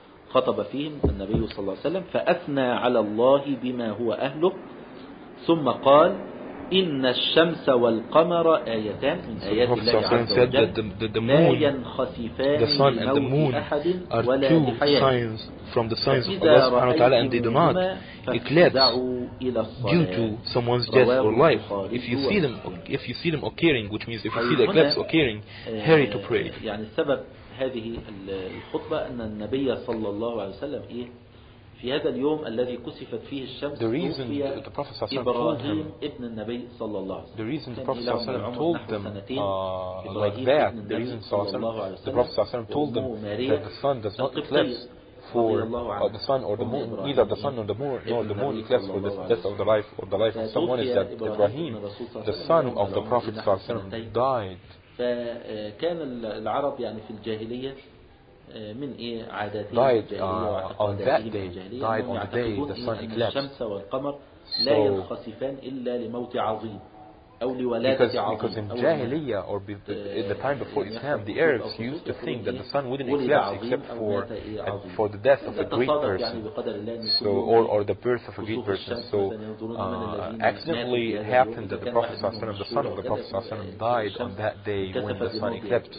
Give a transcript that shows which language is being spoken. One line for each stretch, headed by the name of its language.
Arabic: خطب فيهم النبي صلى الله عليه وسلم فأثنى على الله بما هو أهله ثم قال إن الشمس والقمر آيتان من آيات الله عز وجل لا ينخسفان لموت أحد ولا لحياة.
English: From the signs of Allah subhanahu wa ta'ala, and they do not eclipse due to someone's death or life. If you see them occurring, which means if you see the eclipse occurring, hurry to pray.
Arabic: يعني السبب هذه الخطبة أن النبي صلى الله عليه وسلم إيه في هذا اليوم الذي كسفت فيه الشمس توفي إبراهيم ابن النبي صلى الله عليه وسلم.
English: The reason the Prophet صلى الله عليه وسلم told them like that, the reason the Prophet صلى الله عليه وسلم told them that the sun does not eclipse for the sun or the moon, either the sun or the moon, nor the moon eclipse for the death of the life or the life of someone, is that Ibrahim, the son of the Prophet صلى الله عليه وسلم, died.
Arabic: فكان العرب يعني في الجاهلية من إيه عادات الجاهلية يعتقدون أن الشمس والقمر لا ينخسفان إلا لموت عظيم أو لولادة عظيم.
English: Because in جاهلية or in the time before Islam, the Arabs used to think that the sun wouldn't eclipse except for the death of a great person, so or the birth of a great person. So accidentally it happened that the Prophet صلى الله عليه وسلم, the son of the Prophet صلى الله عليه وسلم, died on that day when the sun eclipsed.